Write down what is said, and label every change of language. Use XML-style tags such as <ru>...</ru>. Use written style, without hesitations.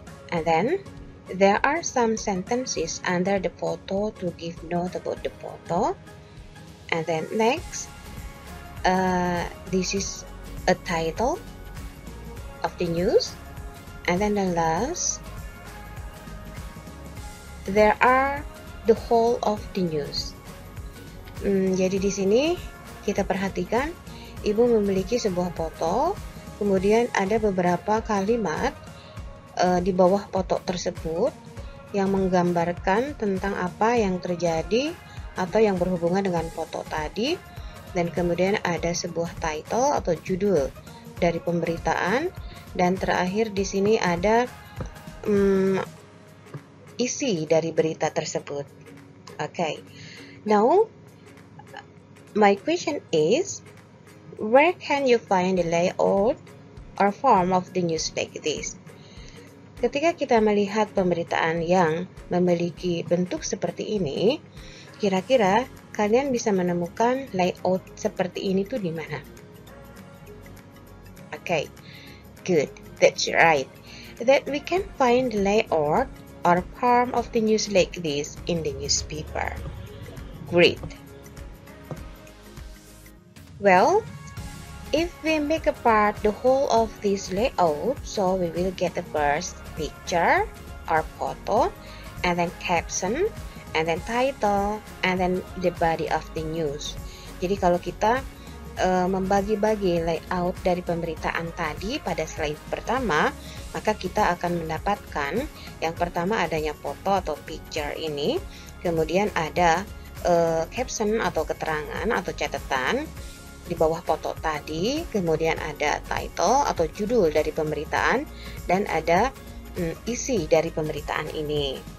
<en>And then, there are some sentences under the photo to give note about the photo. And then next, this is a title of the news. And then the last, there are the whole of the news.</en> <id>Jadi di sini kita perhatikan, ibu memiliki sebuah foto, kemudian ada beberapa kalimat di bawah foto tersebut yang menggambarkan tentang apa yang terjadi atau yang berhubungan dengan foto tadi, dan kemudian ada sebuah title atau judul dari pemberitaan, dan terakhir di sini ada isi dari berita tersebut.</id> <en>Okay, now my question is, where can you find the layout or form of the news like this?</en> <id>Ketika kita melihat pemberitaan yang memiliki bentuk seperti ini, kira-kira kalian bisa menemukan layout seperti ini tuh di mana?</id> <en>Okay, good, that's right. That we can find the layout or form of the news like this in the newspaper. Great. Well, if we make apart the whole of this layout, so we will get the first picture or photo, and then caption, and then title, and then the body of the news.</en> <id>Jadi kalau kita membagi-bagi layout dari pemberitaan tadi pada slide pertama, maka kita akan mendapatkan yang pertama adanya foto atau picture ini, kemudian ada caption atau keterangan atau catatan di bawah foto tadi, kemudian ada title atau judul dari pemberitaan, dan ada isi dari pemberitaan ini.</id>